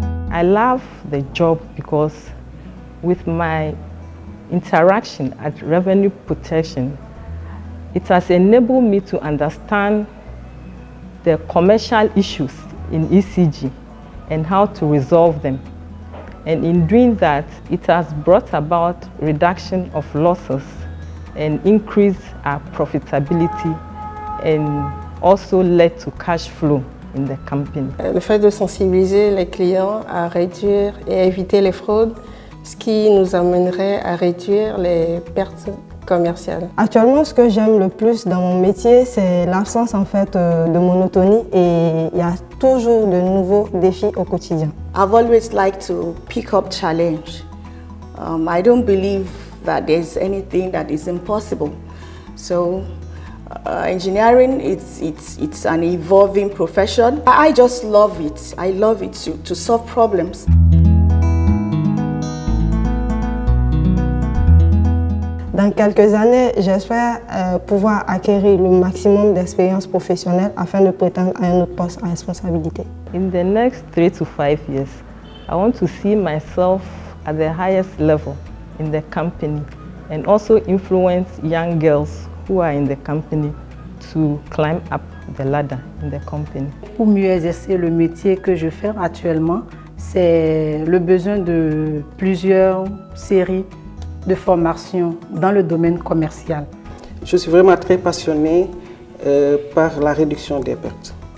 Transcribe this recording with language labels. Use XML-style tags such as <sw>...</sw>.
<en>I love the job because with my interaction at revenue protection, it has enabled me to understand the commercial issues in ECG and how to resolve them. And in doing that, it has brought about reduction of losses and increased our profitability and also led to cash flow in the company.</en> <fr>Le fait de sensibiliser les clients à réduire et éviter les fraudes, ce qui nous amènerait à réduire les pertes commerciales. Actuellement, ce que j'aime le plus dans mon métier, c'est l'absence en fait de monotonie et il y a toujours de nouveaux défis au quotidien.</fr> <en>I've always liked to pick up challenge. I don't believe that there's anything that is impossible. So engineering, it's an evolving profession. I just love it. I love it to solve problems.</en> <fr>Dans quelques années, j'espère pouvoir acquérir le maximum d'expérience professionnelle afin de prétendre à un autre poste à responsabilité.</fr> <en>In the next 3 to 5 years, I want to see myself at the highest level in the company and also influence young girls who are in the company to climb up the ladder in the company.</en> <fr>Pour mieux exercer le métier que je fais actuellement, c'est le besoin de plusieurs séries de formation dans le domaine commercial. Je suis vraiment très passionnée par la réduction des pertes.</fr>